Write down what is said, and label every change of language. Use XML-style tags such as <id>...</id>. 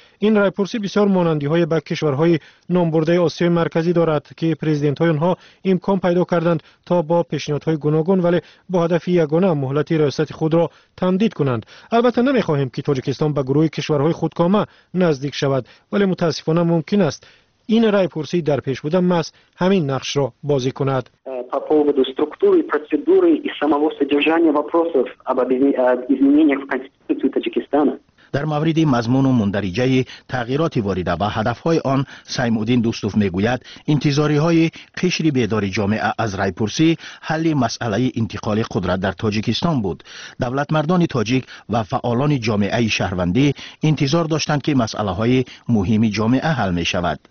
<fa>این رای پرسی بسیار مانندی های به کشورهای نامبرده آسیای مرکزی دارد که پرزیدنت های آنها امکان پیدا کردند تا با پیشنهادهای گوناگون ولی با هدف یگانه مهلت ریاست خود را تمدید کنند. البته نمیخواهیم که تاجیکستان به گروه کشورهای خودکامه نزدیک شود، ولی متاسفانه ممکن است این رای پرسی در پیش بوده ماست همین نقش را بازی کند.</fa> <ru>По поводу структуры, процедуры и самого содержания вопросов об изменениях в Конституции Таджикистана.</ru> <fa>در مورد مضمون و مندرجه تغییرات وارده و هدفهای آن، سیم‌الدین دوستوف میگوید انتظاری های قشر بیدار جامعه از رای پرسی حل مسئله انتقال قدرت در تاجیکستان بود. دولت مردان تاجیک و فعالان جامعه شهروندی انتظار داشتند که مسئله های مهم جامعه حل می شود.</fa>